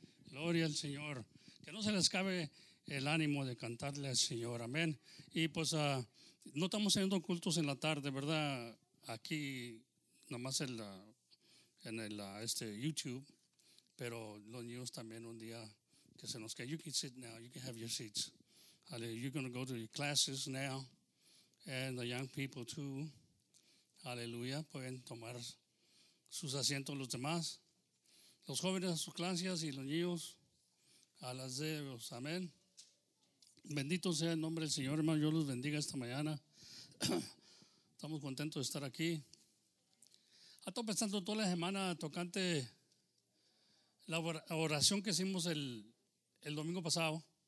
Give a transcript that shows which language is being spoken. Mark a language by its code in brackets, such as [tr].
[es] Gloria al Señor. Que no se les cabe el ánimo de cantarle al Señor, amén. Y pues no estamos teniendo cultos en la tarde, ¿verdad? Aquí nomás en YouTube, pero los niños también un día que se nos quede. [en] You can sit now, you can have your seats. You're going to go to your classes now, and the young people too. [es] Aleluya, pueden tomar sus asientos los demás. Los jóvenes a sus clases y los niños a las de ellos, amén. Bendito sea el nombre del Señor, hermano. Yo los bendiga esta mañana. Estamos contentos de estar aquí. Estoy pensando toda la semana tocante la oración que hicimos el domingo pasado.